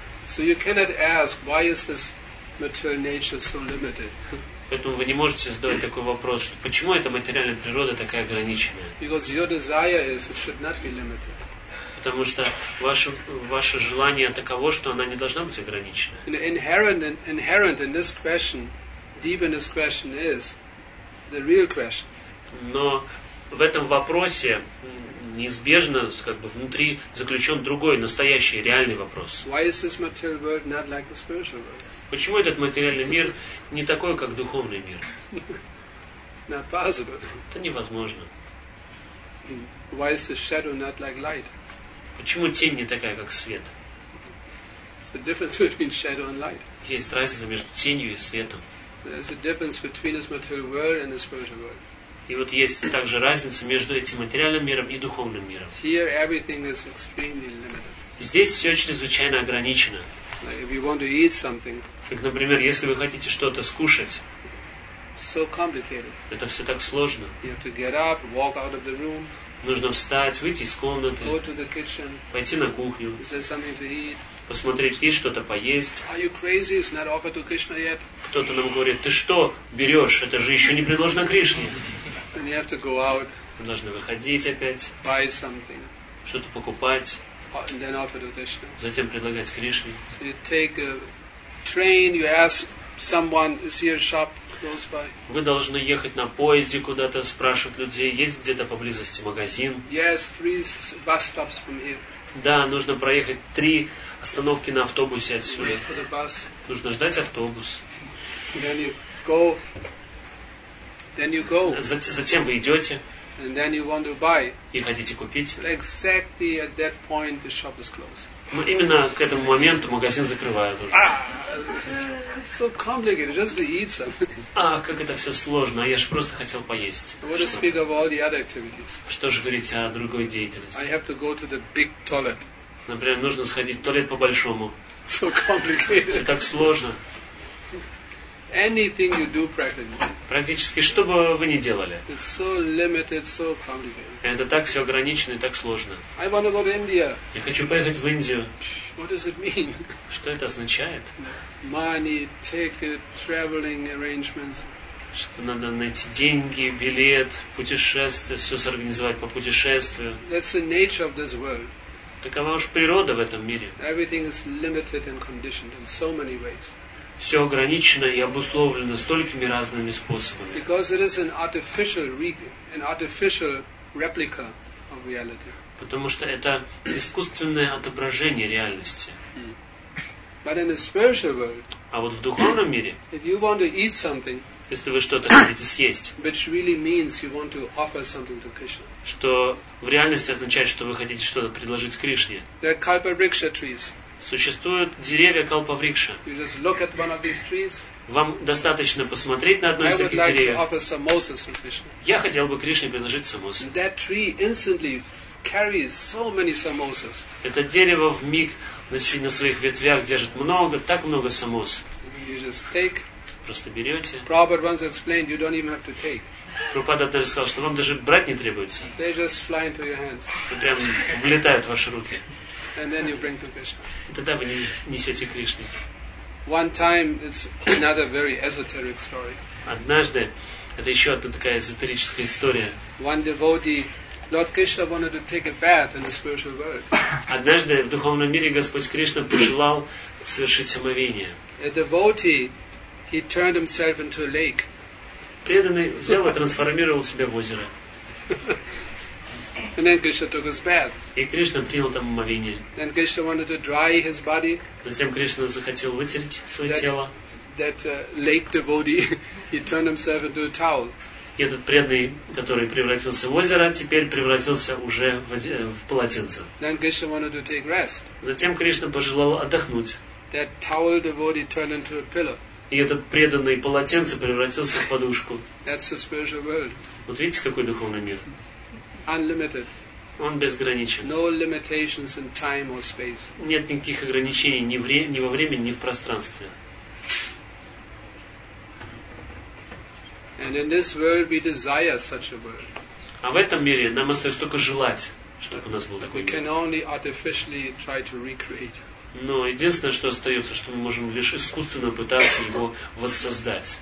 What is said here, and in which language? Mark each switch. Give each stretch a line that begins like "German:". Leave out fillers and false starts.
English: So you cannot ask, why is this material nature so limited?
Russian: Поэтому вы не можете задавать такой вопрос, что почему эта материальная природа такая ограниченная?
English: Because your desire is, it should not be limited.
Russian: Потому что ваше желание таково, что она не должна быть ограничена.
English: Inherent in this question, deep in this question is the real question.
Russian: Но в этом вопросе неизбежно, как бы внутри заключен другой, настоящий, реальный вопрос.
English: Why is this material world not like the spiritual world?
Russian: Почему этот материальный мир не такой, как духовный мир?
English: Not possible.
Russian: Это невозможно.
English: Why is the shadow not like light?
Russian: Почему тень не такая, как свет?
English: The difference between shadow and light.
Russian: Есть разница между тенью и светом.
English: There's a difference between this material world and the spiritual world.
Russian: И вот есть также разница между этим материальным миром и духовным миром.
English: Here everything is extremely limited.
Russian: Здесь все чрезвычайно ограничено.
English: Like if you want to eat something,
Russian: как, например, если вы хотите что-то скушать,
English: so complicated.
Russian: Это все так сложно.
English: You have to get up, walk out of the room.
Russian: Нужно встать, выйти из комнаты,
English: go to the kitchen,
Russian: пойти на кухню,
English: is there something to eat?
Russian: Посмотреть, есть что-то поесть.
English: Are you crazy? It's not offered to Krishna yet.
Russian: Кто-то нам говорит, ты что берешь, это же еще не предложено Кришне.
English: And you have to go out,
Russian: мы должны выходить опять,
English: buy something,
Russian: что-то покупать,
English: and then offer to Krishna.
Russian: Затем предлагать Кришне.
English: So you take a train, you ask someone, is here a shop?
Russian: Вы должны ехать на поезде куда-то, спрашивать людей, есть где-то поблизости магазин.
English: Yes, three bus stops from here.
Russian: Да, нужно проехать три остановки на автобусе отсюда. Нужно ждать автобус.
English: Then you go. Then you go.
Russian: Затем вы идете.
English: And then you want to buy.
Russian: И хотите купить.
English: Exactly at that point the shop is closed.
Russian: Но именно к этому моменту магазин закрывают уже.
English: So complicated, just to eat something.
Russian: А как это все сложно, а я же просто хотел поесть.
English: What to speak of all the other activities?
Russian: Что же говорить о другой деятельности?
English: I have to go to the big toilet.
Russian: Например, нужно сходить в туалет по-большому.
English: So complicated.
Russian: Все так сложно.
English: Anything you do practically.
Russian: Практически, что бы вы ни делали.
English: It's so limited, so complicated.
Russian: Это так все ограничено и так сложно.
English: I want to go to India.
Russian: Я хочу поехать в Индию.
English: What does it mean?
Russian: Что это означает?
English: Money, ticket, traveling arrangements.
Russian: Что надо найти деньги, билет, путешествие, все сорганизовать по путешествию.
English: That's the nature of this world.
Russian: Такова уж природа в этом мире.
English: Everything is limited and conditioned in so many ways.
Russian: Все ограничено и обусловлено столькими разными способами.
English: Because it is an artificial replica of reality.
Russian: Потому что это искусственное отображение реальности.
English: But in the spiritual world,
Russian: а вот в духовном мире,
English: if you want to eat something,
Russian: если вы что-то хотите съесть,
English: which really means you want to offer something to Krishna,
Russian: что в реальности означает, что вы хотите что-то предложить Кришне,
English: there are kalpavriksha trees.
Russian: Существуют деревья калпаврикша.
English: You just look at one of these trees.
Russian: Вам достаточно посмотреть на одно из таких деревьев.
English: I would like to offer samosas to Krishna.
Russian: Я хотел бы Кришне предложить самосы.
English: That tree instantly carries so many samosas.
Russian: Это дерево вмиг на своих ветвях держит много, так много самос.
English: You just take.
Russian: Просто берете.
English: Prabhupada once explained, you don't even have to take.
Russian: Прабхупада даже сказал, что вам даже брать не требуется.
English: They just fly into your hands.
Russian: Это прям влетает в ваши руки.
English: And then you bring to Krishna.
Russian: Тогда вы несете Кришне.
English: One time it's another very esoteric story.
Russian: Однажды это еще одна такая эзотерическая история.
English: One devotee, Lord Krishna wanted to take a bath in the spiritual world.
Russian: Однажды в духовном мире Господь Кришна пожелал совершить омовение.
English: A devotee, he turned himself into a lake.
Russian: Преданный взял и трансформировал себя в озеро.
English: And then Krishna took his bath.
Russian: И Кришна принял там омовение.
English: Then Krishna wanted to dry his body.
Russian: Затем Кришна захотел вытереть свое тело.
English: That lake devotee, he turned himself into a towel.
Russian: И этот преданный, который превратился в озеро, теперь превратился уже в полотенце.
English: Then Krishna wanted to take rest.
Russian: Затем Кришна пожелал отдохнуть.
English: That towel devotee turned into a pillow.
Russian: И этот преданный полотенце превратился в подушку.
English: That's the spiritual world.
Russian: Вот видите, какой духовный мир.
English: Unlimited.
Russian: Он безграничен.
English: No limitations in time or space.
Russian: Нет никаких ограничений ни во времени, ни в пространстве.
English: And in this world we desire such a world.
Russian: А в этом мире нам остается только желать, чтобы у нас был такой мир.
English: We can only artificially try to recreate.
Russian: Но единственное, что остается, что мы можем лишь искусственно пытаться его воссоздать.